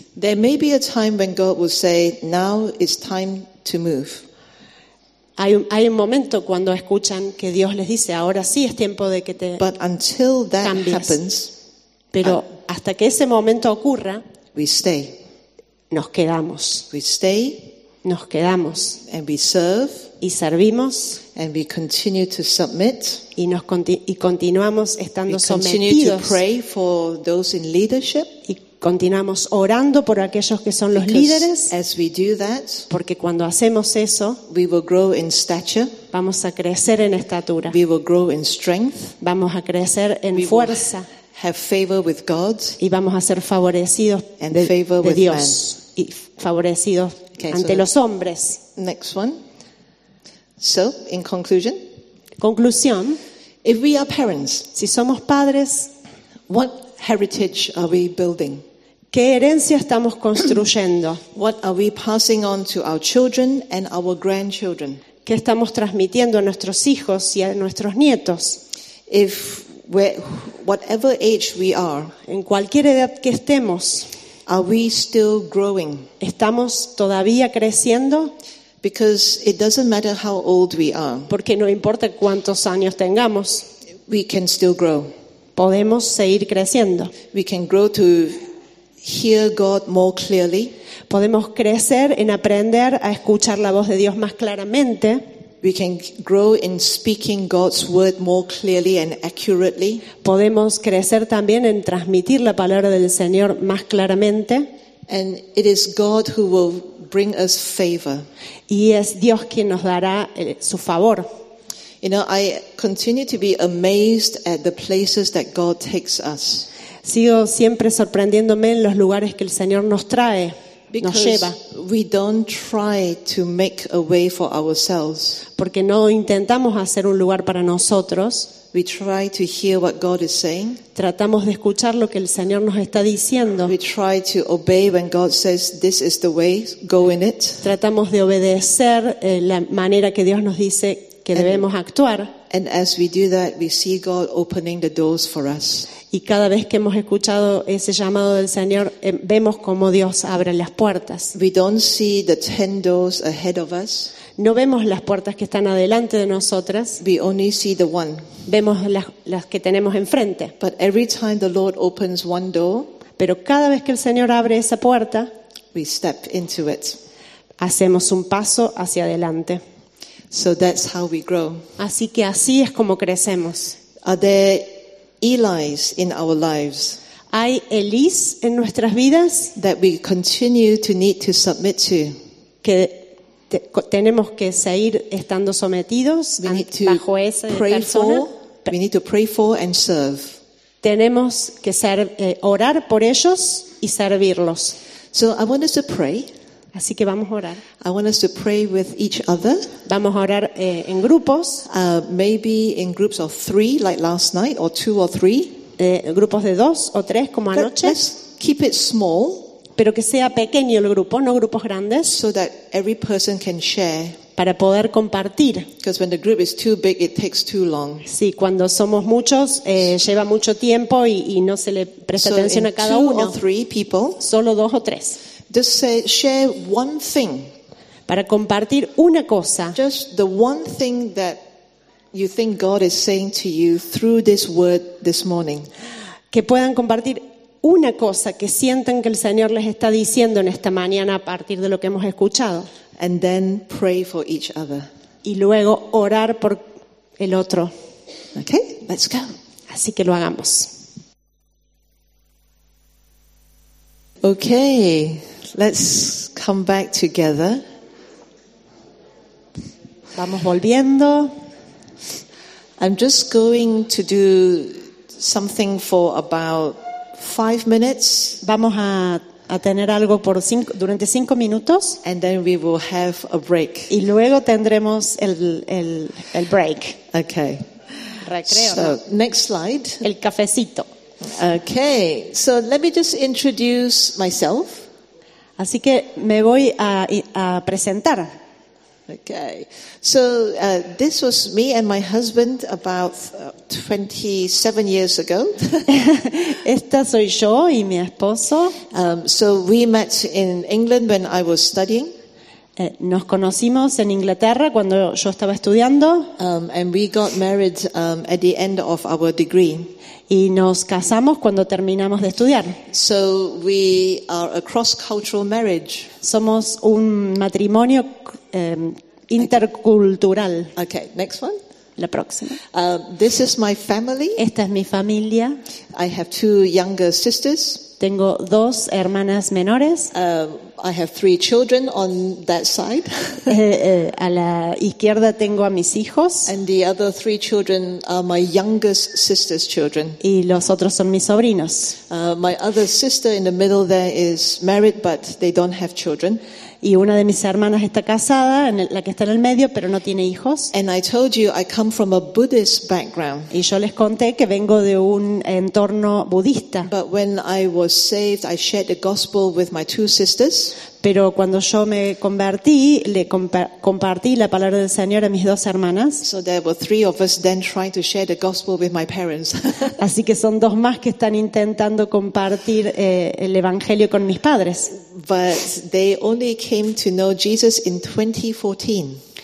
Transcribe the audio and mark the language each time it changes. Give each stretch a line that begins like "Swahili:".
English: There may be a time when God will say, "Now it's time to move."
Spanish: Hay un momento cuando escuchan que Dios les dice, "Ahora sí es tiempo de que te cambies."
English: But until that happens,
Spanish: pero hasta que ese momento ocurra,
English: we stay.
Spanish: Nos quedamos.
English: We stay.
Spanish: Nos quedamos.
English: And we serve.
Spanish: y servimos,
English: and we continue to submit,
Spanish: y continuamos estando
English: sometidos, to pray for those in leadership,
Spanish: y continuamos orando por aquellos que son los líderes,
English: as we do that,
Spanish: porque cuando hacemos eso,
English: we will grow in stature,
Spanish: vamos a crecer en estatura,
English: we will grow in strength,
Spanish: vamos a crecer en
English: we
Spanish: fuerza,
English: will have favor with God,
Spanish: y vamos a ser favorecidos
English: and favor
Spanish: de Dios
English: with man.
Spanish: Y favorecidos okay, ante so los hombres.
English: Next one. So, in conclusion.
Spanish: Conclusión.
English: If we are parents,
Spanish: si somos padres,
English: what heritage are we building?
Spanish: ¿Qué herencia estamos construyendo?
English: What are we passing on to our children and our grandchildren?
Spanish: ¿Qué estamos transmitiendo a nuestros hijos y a nuestros nietos?
English: If we're, whatever age we are,
Spanish: en cualquier edad que estemos,
English: are we still growing?
Spanish: ¿Estamos todavía creciendo?
English: Because it doesn't matter how old we are.
Spanish: Porque no importa cuántos años tengamos.
English: We can still grow.
Spanish: Podemos seguir creciendo.
English: We can grow to hear God more clearly.
Spanish: Podemos crecer en aprender a escuchar la voz de Dios más claramente.
English: We can grow in speaking God's word more clearly and accurately.
Spanish: Podemos crecer también en transmitir la palabra del Señor más claramente.
English: And it is God who will bring us favor.
Spanish: Y es Dios quien nos dará su favor.
English: You know, I continue to be amazed at the places that God takes us.
Spanish: Sigo siempre sorprendiéndome en los lugares que el Señor nos trae.
English: Because
Spanish: nos lleva.
English: We don't try to make a way for ourselves.
Spanish: Porque no intentamos hacer un lugar para nosotros.
English: We try to hear what God is saying.
Spanish: Tratamos de escuchar lo que el Señor nos está diciendo.
English: We try to obey when God says this is the way, go in it.
Spanish: Tratamos de obedecer la manera que Dios nos dice que debemos actuar.
English: And as we do that, we see God opening the doors for us.
Spanish: Y cada vez que hemos escuchado ese llamado del Señor, vemos cómo Dios abre las puertas.
English: We don't see the 10 doors ahead of us.
Spanish: No vemos las puertas que están adelante de nosotras.
English: We only see the one.
Spanish: Vemos las que tenemos enfrente.
English: But every time the Lord opens one door,
Spanish: pero cada vez que el Señor abre esa puerta,
English: we step into it.
Spanish: Hacemos un paso hacia adelante.
English: So that's how we grow.
Spanish: Así que así es como crecemos.
English: Are there Elis in our lives?
Spanish: ¿Hay Elis en nuestras vidas?
English: That we continue to need to submit to.
Spanish: Que tenemos que seguir estando sometidos bajo esa persona.
English: We need to pray for and serve.
Spanish: Tenemos que orar por ellos y servirlos.
English: So I want us to pray.
Spanish: Así que vamos a orar.
English: I want us to pray with each other.
Spanish: Vamos a orar en grupos.
English: Maybe in groups of three, like last night, or two or three.
Spanish: Grupos de dos o tres, como anoche.
English: Let's keep it small.
Spanish: Pero que sea pequeño el grupo, no grupos grandes.
English: So that every person can share.
Spanish: Para poder compartir.
English: Because when the group is too big, it takes too long.
Spanish: Sí, cuando somos muchos, lleva mucho tiempo y no se le presta atención a cada uno.
English: So in two or three people.
Spanish: Solo dos o tres.
English: Just say, share one thing.
Spanish: Para compartir una cosa.
English: Just the one thing that you think God is saying to you through this word this morning.
Spanish: Que puedan compartir una cosa que sientan que el Señor les está diciendo en esta mañana a partir de lo que hemos escuchado.
English: And then pray for each other.
Spanish: Y luego orar por el otro.
English: Okay, let's go.
Spanish: Así que lo hagamos.
English: Okay. Let's come back together.
Spanish: Vamos volviendo.
English: I'm just going to do something for about 5 minutes.
Spanish: Vamos a tener algo durante 5 minutos.
English: And then we will have a break.
Spanish: Y luego tendremos el break.
English: Okay.
Spanish: Recreo.
English: So, next slide.
Spanish: El cafecito.
English: Okay. So let me just introduce myself.
Spanish: Así que me voy a presentar.
English: Okay. So this was me and my husband about 27 years ago.
Spanish: Esta soy yo y mi esposo.
English: So we met in England when I was studying.
Spanish: Nos conocimos en Inglaterra cuando yo estaba estudiando.
English: And we got married at the end of our degree.
Spanish: Y nos casamos cuando terminamos de estudiar.
English: So we are a cross-cultural marriage.
Spanish: Somos un matrimonio intercultural.
English: Okay, next one.
Spanish: La próxima.
English: This is my family.
Spanish: Esta es mi familia.
English: I have two younger sisters.
Spanish: Tengo dos hermanas menores.
English: I have three children on that side.
Spanish: A la izquierda tengo a mis hijos.
English: And the other three children are my youngest sister's children.
Spanish: Y los otros son mis sobrinos.
English: My other sister in the middle there is married, but they don't have children.
Spanish: Y una de mis hermanas está casada, la que está en el medio, pero no tiene hijos.
English: And I told you I come from a Buddhist background.
Spanish: Y yo les conté que vengo de un entorno budista.
English: But when I was saved, I shared the gospel with my two sisters.
Spanish: Pero cuando yo me convertí, le compartí la palabra del Señor a mis dos hermanas.
English: So there were three of us then trying to share the gospel with my parents.
Spanish: Así que son dos más que están intentando compartir el evangelio con mis padres.
English: But they only came to know Jesus in 2014.